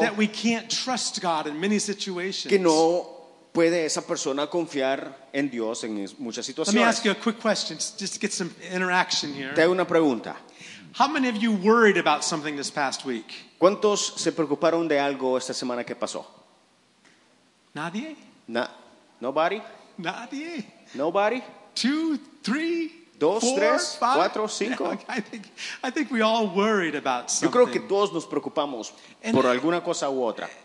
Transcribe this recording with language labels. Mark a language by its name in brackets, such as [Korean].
[English] That we can't trust God in many situations. [Spanish] Que no puede esa persona confiar en Dios en muchas situaciones. [English] Let me ask you a quick question, just to get some interaction here. [Spanish] Te hago una pregunta. [English] How many of you worried about something this past week? [Spanish] ¿Cuántos se preocuparon de algo esta semana que pasó? Nadie. [English] Nobody. [Spanish] Nadie. [English] Nobody. Two, three, [Spanish] dos, [English] four, [Spanish] tres, [English] five. [Spanish] Cuatro, cinco. [English] I think we all worried about something. [Spanish] Yo creo que todos nos preocupamos por alguna cosa u otra.